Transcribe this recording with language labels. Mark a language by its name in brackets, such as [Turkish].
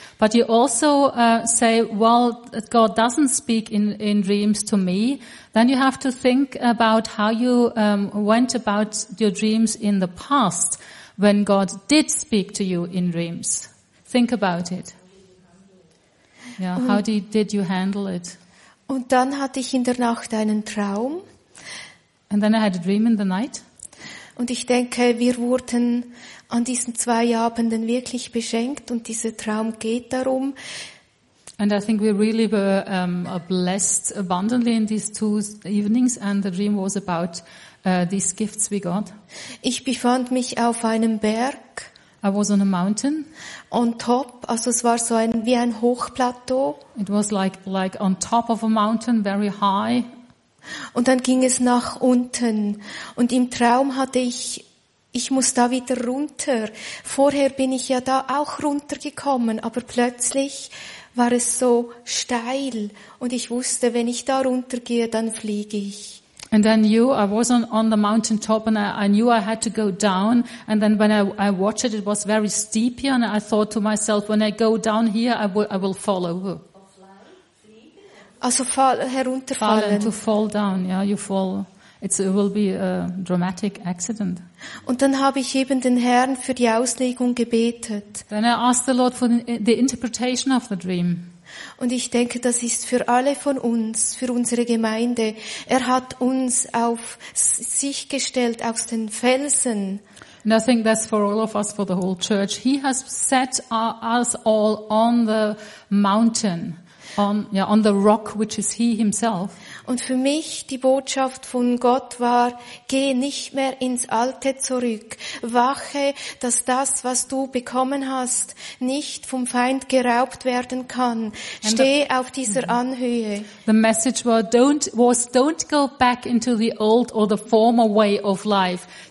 [English] But you also say, well, God doesn't speak in dreams to me. Then you have to think about how you went about your dreams in the past when God did speak to you in dreams. Think about it. Yeah, how did you handle it? [German] Und dann hatte ich in der Nacht einen Traum. [English] And then I had a dream in the night. [German] Und ich denke, wir wurden an diesen zwei Abenden wirklich beschenkt und dieser Traum geht darum. [English] And I think we really were blessed abundantly in these two evenings and the dream was about these gifts we got. [German] Ich befand mich auf einem Berg. [English] I was on a mountain. On top, [German] also es war so ein, wie ein Hochplateau. [English] It was like on top of a mountain, very high. [German] Und dann ging es nach unten. Und im Traum hatte ich muss da wieder runter. Vorher bin ich ja da auch runtergekommen, aber plötzlich war es so steil. Und ich wusste, wenn ich da runtergehe, dann fliege ich. [English] And then I was on the mountain top and I knew I had to go down. And then when I watched it was very steep here and I thought to myself, when I go down here, I will fall over. [German] Also fall, herunterfallen. [English] Fallen, to fall down, yeah, you fall. It will be a dramatic accident. [German] Und dann habe ich eben den Herrn für die Auslegung gebetet. [English] Then I asked the Lord for the interpretation of the dream. [German] Und ich denke, das ist für alle von uns, für unsere Gemeinde. Er hat uns auf sich gestellt, aus den Felsen. [English] And I think that's for all of us, for the whole church. He has set us all on the mountain, on the rock, which is he himself. [German] Und für mich die Botschaft von Gott war, geh nicht mehr ins Alte zurück. Wache, dass das, was du bekommen hast, nicht vom Feind geraubt werden kann. Steh auf dieser Anhöhe. [English] The message was don't go back into the old or the former way of life.